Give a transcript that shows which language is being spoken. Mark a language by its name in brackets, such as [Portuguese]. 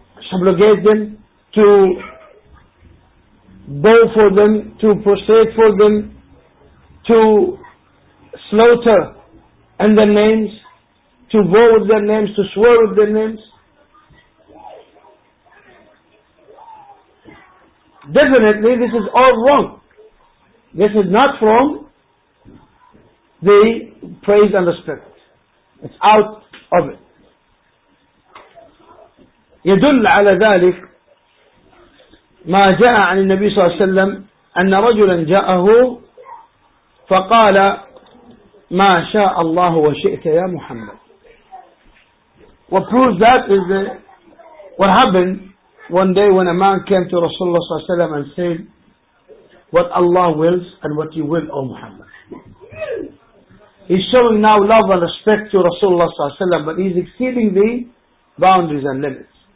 [English] subjugate them, to bow for them, to prostrate for them, to slaughter in their names, to bow with their names, to swear with their names? Definitely this is all wrong. This is not from the praise and respect. It's out of it. [Arabic] يدل على ذلك ما جاء عن النبي صلى الله عليه وسلم أن رجلا جاءه فقال ما شاء الله وشئت يا محمد. [English] What proves that is that what happened one day when a man came to Rasulullah صلى الله عليه وسلم and said what Allah wills and what you will, O Muhammad. He's showing now love and respect to Rasulullah ﷺ, but he's exceeding the boundaries and limits.